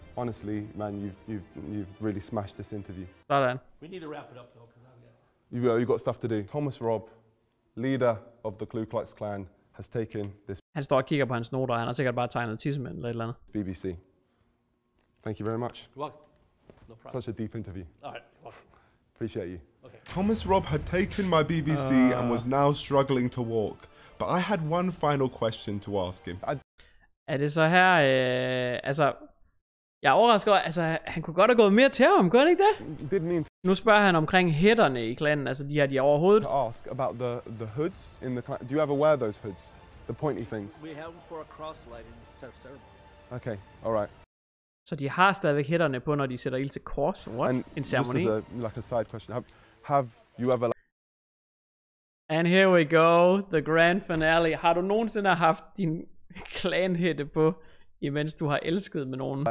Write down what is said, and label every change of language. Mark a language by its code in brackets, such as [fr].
[en] Honestly, man, you've really smashed this interview. [da] Sådan. [en] We need to wrap it up, though, because I've got... You've got stuff to do. Thomas Robb, leader of the Ku Klux Klan, has taken this... [da] Han står og kigger på hans noter, han har sikkert bare tegnet tidsmænd eller et eller andet. [en] BBC. Thank you very much. You're welcome. No problem. Such a deep interview. Alright. Appreciate you. Okay. Thomas Robb had taken my BBC and was now struggling to walk, but I had one final question to ask him. [da] Er det så her? Altså, jeg er overrasket. Altså, han kunne godt have gået mere til ham, kunne han ikke det? [en] Didn't mean. [da] Nu spørger han omkring hætterne i klanen. Altså, de her, de overhovedet. [en] Ask about the hoods in the clan. Do you ever wear those hoods? The pointy things. We have them for a cross lighting ceremony. Okay. All right. [da] Så de har stadigvæk hætterne på, når de sætter ild til kors? What? [en] And [da] en ceremoni? [en] This is a, like a side question. Have you ever... Like- And here we go, the grand finale. [da] Har du nogensinde haft din klanhætte på, imens du har elsket med nogen?